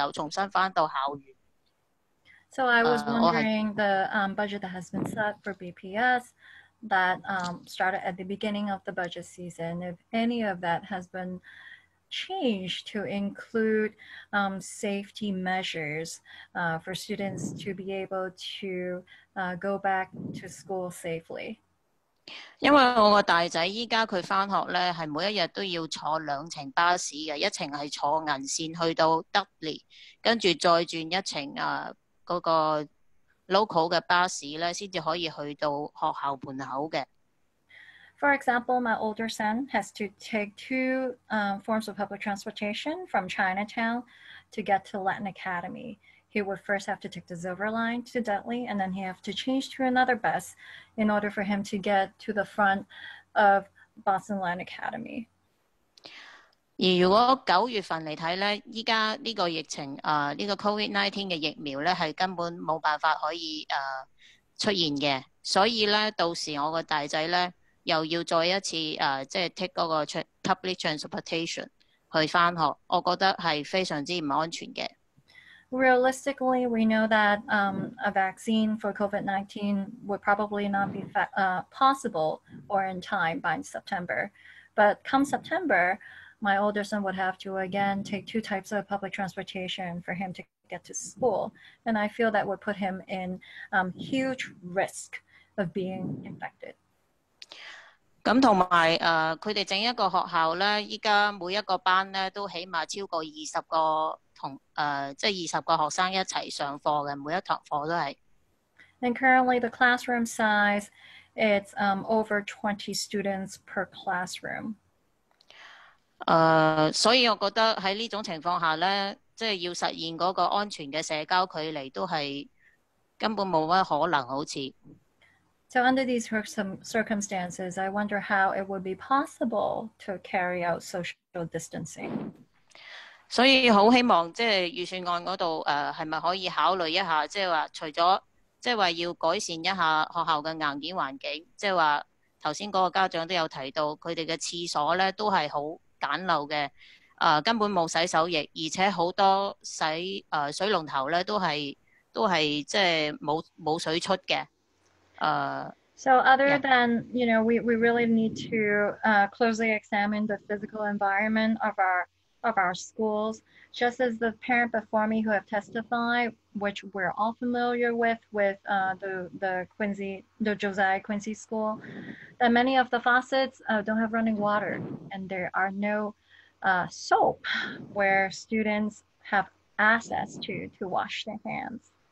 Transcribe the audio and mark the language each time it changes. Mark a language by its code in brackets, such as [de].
[yue] 所以喺呢個情況下，我覺得如果係3月初嗰陣時，你哋設計嘅預算案咧，有冇包括一個即係話一個比較安全，即係可以設置一個安全嘅環境俾學生9月份嘅時候重新翻到校園？ [en] So I was wondering the budget that has been set for BPS that started at the beginning of the budget season, if any of that has been change to include safety measures for students to be able to go back to school safely. [yue] 因为我的大仔依家佢翻学咧，系每一日都要坐两程巴士嘅，一程系坐银线去到德利，跟住再转一程啊嗰、那个 local 嘅巴士咧，先至可以去到学校门口嘅。 [en] For example, my older son has to take two forms of public transportation from Chinatown to get to Latin Academy. He would first have to take the Silver Line to Dudley, and then he have to change to another bus in order for him to get to the front of Boston Latin Academy. [yue] 而如果九月份嚟睇咧，依家呢个疫情啊，呢、这个 COVID-19 嘅疫苗咧，系根本冇办法可以出现嘅。所以咧，到时我个大仔咧又要再一次即系 [en] take [yue] 嗰个 [en] public transportation [yue] 去翻学，我觉得系非常之唔安全嘅。 [en] Realistically, we know that a vaccine for COVID-19 would probably not be possible or in time by September. But come September, my older son would have to again take two types of public transportation for him to get to school. And I feel that would put him in huge risk of being infected. [yue] 咁同埋佢哋整一个学校咧，依家每一个班咧都起码超过20个同即系20个学生一齐上课嘅，每一堂课都系。 [en] And currently the classroom size is over 20 students per classroom. [yue] 所以我觉得喺呢种情况下咧，即系要实现嗰个安全嘅社交距离都系根本冇乜可能，好似。 [en] So under these circumstances, I wonder how it would be possible to carry out social distancing. [yue] 所以好希望即系预算案嗰度系咪可以考虑一下，即系话除咗即系话要改善一下学校嘅硬件环境，即系话头先嗰个家长都有提到，佢哋嘅厕所咧都系好简陋嘅，根本冇洗手液，而且好多洗水龙头咧都系即系冇水出嘅。 [en] So other than, you know, we really need to closely examine the physical environment of our schools. Just as the parent before me who have testified, which we're all familiar with the Josiah Quincy School, that many of the faucets don't have running water, and there are no soap where students have access to wash their hands.